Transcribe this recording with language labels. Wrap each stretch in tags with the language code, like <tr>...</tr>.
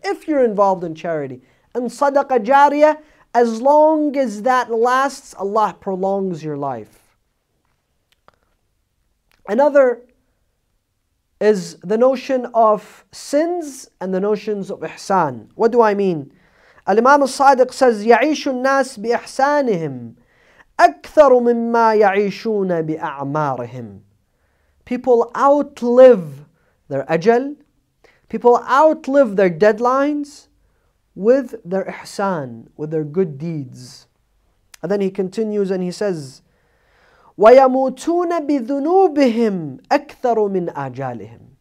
<en>If you're involved in charity, and sadaqah jariyah, as long as that lasts, Allah prolongs your life. Another is the notion of sins and the notions of ihsan. What do I mean? Al-Imam al-Sadiq says,</en> <ar>يَعِيشُ النَّاسِ بِإِحْسَانِهِمْ أَكْثَرُ مِمَّا يَعِيشُونَ بِأَعْمَارِهِمْ.</ar> <en>People outlive their ajal, people outlive their deadlines with their ihsan, with their good deeds. And then he continues and he says,</en> <ar>وَيَمُوتُونَ بِذُنُوبِهِمْ أَكْثَرُ مِنْ أَجَالِهِمْ.</ar>